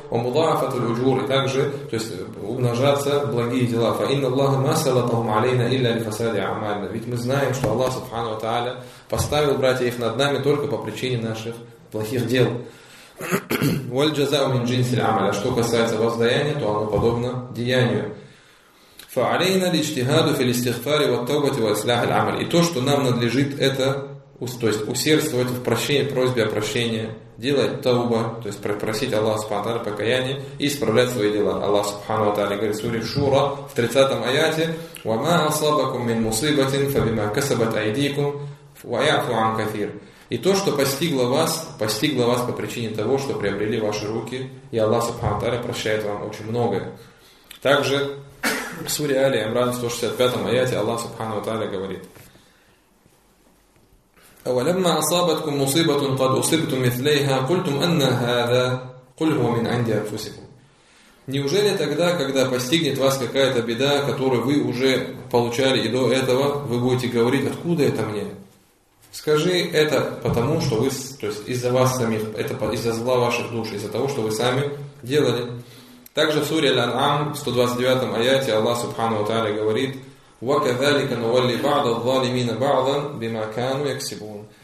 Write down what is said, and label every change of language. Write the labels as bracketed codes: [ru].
[ar] Омулафат аль уджур. [ru] И также, то есть, умножаться благие дела. [ar] Фа инна Аллаха масалатахум алейна илля альфасади амальна. [ru] Ведь мы знаем, что Аллах, Субхану ва Тааля, поставил, братья, их над нами только по причине наших плохих дел. [ar] Валь джазау мин джинсиль амаля. [ru] Что касается воздаяния, то оно подобно деянию. [ar] فعلينا الاجتهاد في الاستغفار والتوبة وإصلاح العمل. [ru] И то, что нам надлежит, это, то есть, усердствовать в прощении, просьбе о прощении, делать тауба, то есть просить Аллаха Субхану ва Тааля покаяния и исправлять свои дела. Аллах Субхану ва Тааля говорит в суре Шура в 30 аяте: [ar] وما أصابكم من مصيبة فبما كسبت أيديكم ويعفو عن كثير. [ru] И то, что постигло вас по причине того, что приобрели ваши руки, и Аллах Субхану ва Тааля прощает вам очень многое. Также в суре Али Имран 165 аяте Аллах Субхану ва Тааля говорит: [ar] أَوَلَمَّا أَصَابَتْكُمْ مُصِيبَةٌ قَدْ أُصِبْتُمْ مِثْلَيْهَا قُلْتُمْ أَنَّ هَذَا قُلْ هُوَ مِنْ عِنْدِ أَنْفُسِكُمْ. [ru] Неужели тогда, когда постигнет вас какая-то беда, которую вы уже получали и до этого, вы будете говорить: откуда это мне? Скажи, это потому, что вы, то есть из-за вас самих, это из-за зла ваших душ, из-за того, что вы сами делали. Также в суре Аль-Ан'ам, 129 аяте, Аллах Субхану ва Тааля говорит: [ar] وَكَذَلِكَ نُوَلِّي بَعْضَ الظَّالِمِينَ بَعْضًا بِمَا كَانُوا يَكْسِبُونَ.